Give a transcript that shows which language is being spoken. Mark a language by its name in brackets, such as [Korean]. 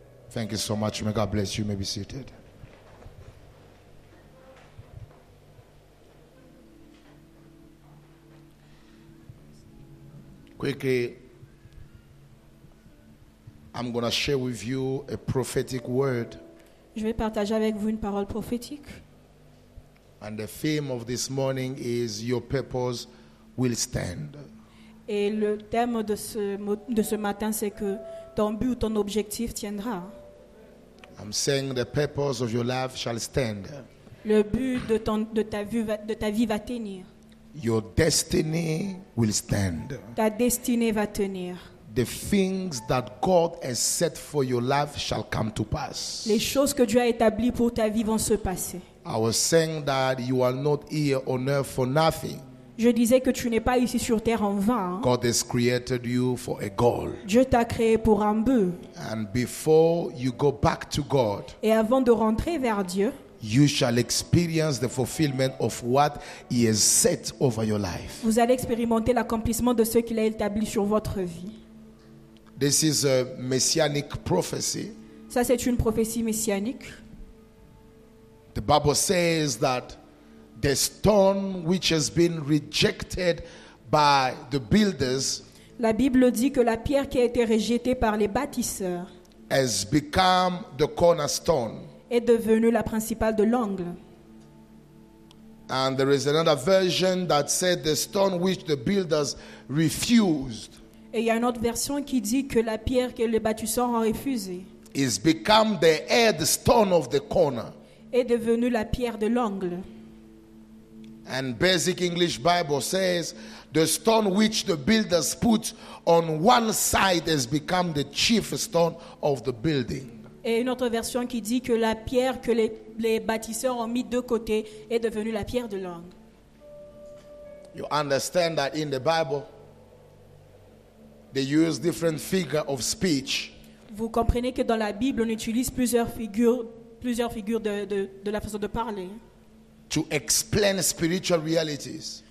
[English] Thank you so much. May God bless you. May be seated. Quickly, I'm going to share with you a prophetic word. [French] Je vais partager avec vous une parole prophétique. [English] And the theme of this morning is your purpose will stand. [French] Et le thème de ce matin, c'est que ton but, ton objectif tiendra. [English] I'm saying the purpose of your life shall stand. [French] Le but de ta vie va tenir. [English] Your destiny will stand. [French] Ta destinée va tenir. [English] The things that God has set for your life shall come to pass. [French] Les choses que Dieu a établies pour ta vie vont se passer. [English] I was saying that you are not here on earth for nothing. [French] Je disais que tu n'es pas ici sur terre en vain. [English] God has created you for a goal. [French] Dieu t'a créé pour un but. [English] And before you go back to God, [French] et avant de rentrer vers Dieu, [English] you shall experience the fulfillment of what He has set over your life. [French] Vous allez expérimenter l'accomplissement de ce qu'il a établi sur votre vie. [English] This is a messianic prophecy. [French] Ça, c'est une prophétie messianique. [English] The Bible says that the stone which has been rejected by the builders, [French] la Bible dit que la pierre qui a été rejetée par les bâtisseurs, [English] has become the cornerstone, [French] est devenue la principale de l'angle. [English] And there is another version that said the stone which the builders refused, [French] et il y a une autre version qui dit que la pierre que les bâtisseurs ont refusée, [English] has become the headstone of the corner, [French] est devenue la pierre de l'angle. [English] And basic English Bible says the stone which the builders put on one side has become the chief stone of the building. [French] Et une autre version qui dit que la pierre que les bâtisseurs ont mis de côté est devenue la pierre de l'angle. [English] You understand that in the Bible they use different figures of speech. [French] Vous comprenez que dans la Bible on utilise plusieurs figures de la façon de parler. [English] To explain spiritual realities.